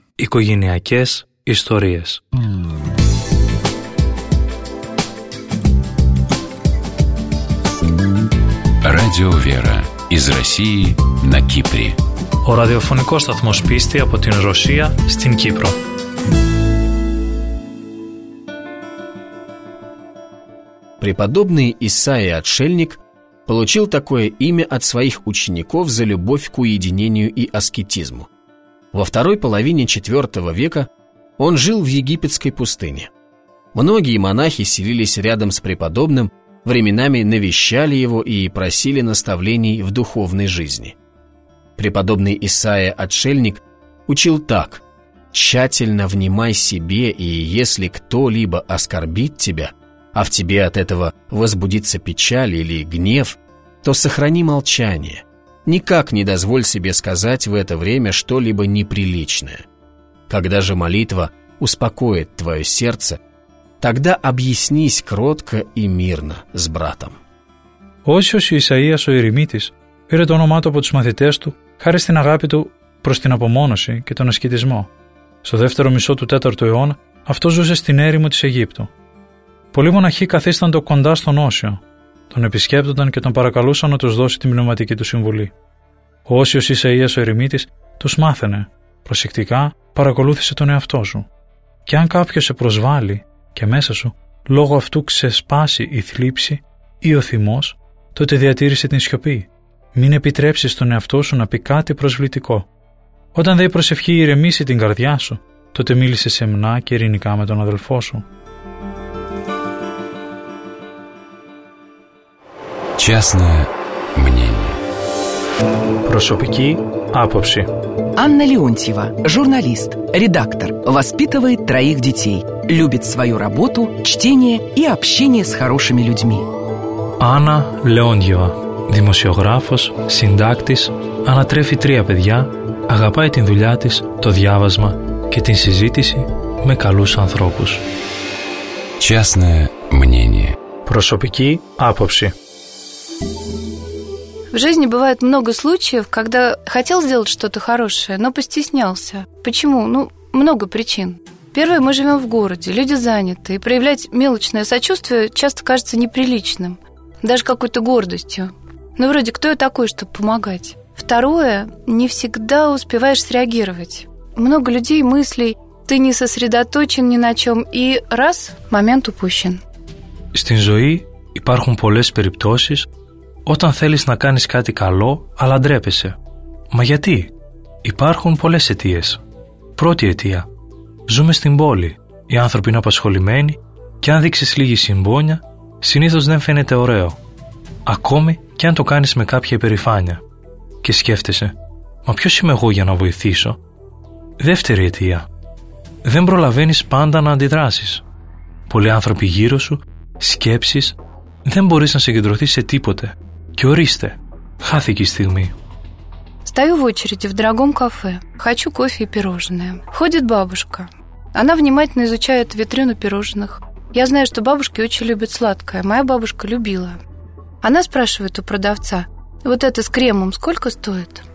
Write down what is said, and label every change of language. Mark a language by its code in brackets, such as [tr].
[el] Οικογενειακές ιστορίες. [ru] Радио Вера из России на Кипре. [el] Ο ραδιοφωνικός σταθμός πίστη από την Ρωσία στην Κύπρο. [ru] Преподобный Исаия Отшельник получил такое имя от своих учеников за любовь к уединению и аскетизму. Во второй половине IV века он жил в египетской пустыне. Многие монахи селились рядом с преподобным, временами навещали его и просили наставлений в духовной жизни. Преподобный Исаия Отшельник учил так: «Тщательно внимай себе, и если кто-либо оскорбит тебя, а в тебе от этого возбудится печаль или гнев, то сохрани молчание. Никак не дозволь себе сказать в это время что-либо неприличное. Когда же молитва успокоит твое сердце, тогда объяснись кротко и мирно с братом. [el] Όσιος Ισαΐας ο Ηρημίτης πήρε το όνομά του από τους μαθητές του χάρη στην αγάπη του προς την απομόνωση και τον ασκητισμό. Στο δεύτερο μισό του 4ου αιώνα αυτό ζούσε στην έρημο της Αιγύπτου. Πολλοί μοναχοί καθίστανται κοντά στον Όσιο, τον επισκέπτονταν και τον παρακαλούσαν να τους δώσει την πνευματική του συμβουλή. Ο Όσιος Ισαΐας ο Ερημίτης τους μάθαινε, προσεκτικά παρακολούθησε τον εαυτό σου. Και αν κάποιος σε προσβάλλει και μέσα σου λόγω αυτού ξεσπάσει η θλίψη ή ο θυμός, τότε διατήρησε την σιωπή. Μην επιτρέψεις τον εαυτό σου να πει κάτι προσβλητικό. Όταν δε η προσευχή ηρεμήσει την καρδιά σου, τότε μίλησε σεμνά και ειρηνικά με τον αδελφό σου. [ru] Частное мнение. [el] Προσωπική άποψη. [ru] Анна Леонтьева, журналист, редактор, воспитывает троих детей, любит свою работу, чтение и общение с хорошими людьми. [el] Анна Леонтьева, δημοσιογράφος, συντάκτης, ανατρέφει τρία παιδιά, αγαπάει την δουλειά της, το διάβασμα και την συζήτηση με καλούς ανθρώπους. [ru] Частное мнение. [el] Προσωπική άποψη. [ru] В жизни бывает много случаев, когда хотел сделать что-то хорошее, но постеснялся. Почему? Ну, много причин. Первое, мы живем в городе, люди заняты, и проявлять мелочное сочувствие часто кажется неприличным, даже какой-то гордостью. Ну, вроде, кто я такой, чтобы помогать? Второе, не всегда успеваешь среагировать. Много людей, мыслей, ты не сосредоточен ни на чем, и раз, момент упущен. [el] Στην ζωή υπάρχουν πολλές περιπτώσεις, όταν θέλεις να κάνεις κάτι καλό, αλλά ντρέπεσαι. Μα γιατί? Υπάρχουν πολλές αιτίες. Πρώτη αιτία. Ζούμε στην πόλη. Οι άνθρωποι είναι απασχολημένοι και αν δείξεις λίγη συμπόνια, συνήθως δεν φαίνεται ωραίο. Ακόμη και αν το κάνεις με κάποια υπερηφάνεια. Και σκέφτεσαι, μα ποιος είμαι εγώ για να βοηθήσω? Δεύτερη αιτία. Δεν προλαβαίνεις πάντα να αντιδράσεις. Πολλοί άνθρωποι γύρω σου, σκέψεις, δεν μπορείς να συγκεντρωθείς σε τίποτε. Και ορίστε, χάθηκε η στιγμή. [ru] Стою в очереди в дорогом кафе. Хочу кофе и пирожное. Ходит бабушка. Она внимательно изучает витрину пирожных. Я знаю, что бабушки очень любят сладкое. Моя бабушка любила. Она спрашивает у продавца, вот это с кремом сколько стоит?